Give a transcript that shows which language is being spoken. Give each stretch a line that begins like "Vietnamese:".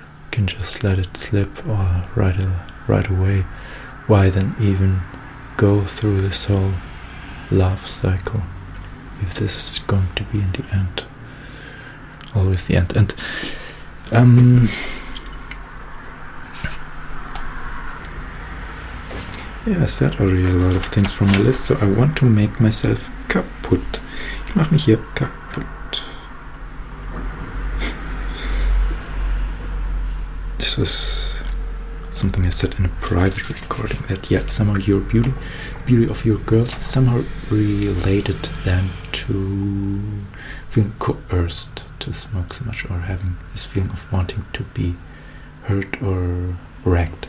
English: Can just let it slip, or right away, why then even go through this whole love cycle if this is going to be in the end always the end. And yeah, I said already a lot of things from my list, so I want to make myself kaputt.
German: Ich mach mich hier kaputt.
English: This is something I said in a private recording, that yet somehow your beauty of your girls is somehow related then to feeling coerced to smoke so much, or having this feeling of wanting to be hurt or wrecked.